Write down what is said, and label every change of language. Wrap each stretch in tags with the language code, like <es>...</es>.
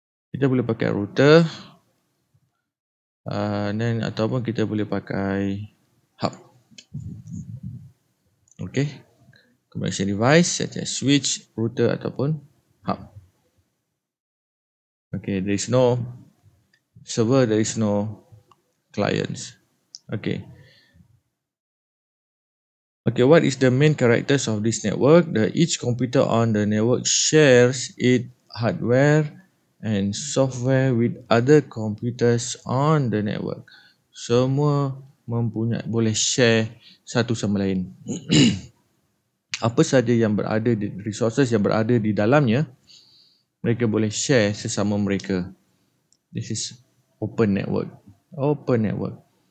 <ms>Kita boleh pakai router. Then ataupun kita boleh pakai hub. Okay.</ms> <en>Communication device, such as switch, router</en> <ms>ataupun</ms> <en>hub. Okay, there is no server, there is no clients. Okay. Okay, what is the main characters of this network? Each computer on the network shares its hardware and software with other computers on the network.</en> <ms>Semua boleh share satu sama lain. Apa saja yang berada di resources yang berada di dalamnya, mereka boleh share sesama mereka.</ms> <en>This is open network. Open network.</en>